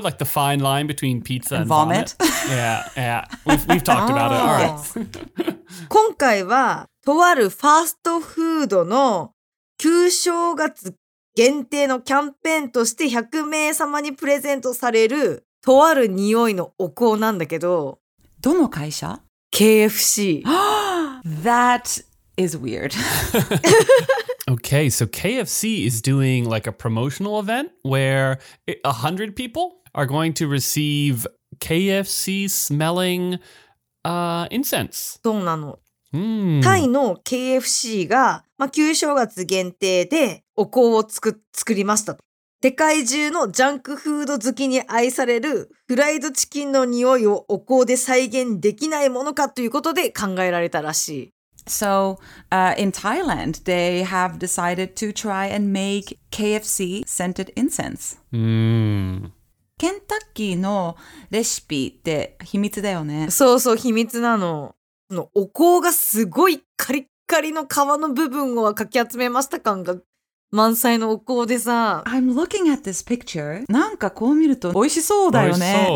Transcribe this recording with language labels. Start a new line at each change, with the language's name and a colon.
English: Like the fine line between pizza and vomit? Yeah. We've talked about it. All right.
Japanese: 今回は、とあるファーストフードの旧正月限定のキャンペーンとして100名様にプレゼントされるとある匂いのお香なんだけど、どの会社？ KFC。
English: That is weird. okay, so KFC is doing like a promotional event where 100 people are going to receive KFC smelling incense.
Japanese: そうなの。タイの KFC が、まあ、旧正月限定でお香を作りましたと。世界中のジャンクフード好きに愛されるフライドチキンの匂いをお香で再現できないものかということで考えられたらしい。
English: So, in Thailand, they have decided to try and make KFC scented incense.
Japanese: ケンタッキーのレシピって秘密だよね。そうそう、秘密なの。のお香がすごいカリッカリの皮の部分をかき集めました感が満載のお香でさ
English: I'm looking at this picture
Japanese: なんかこう見ると美味しそうだよ ね,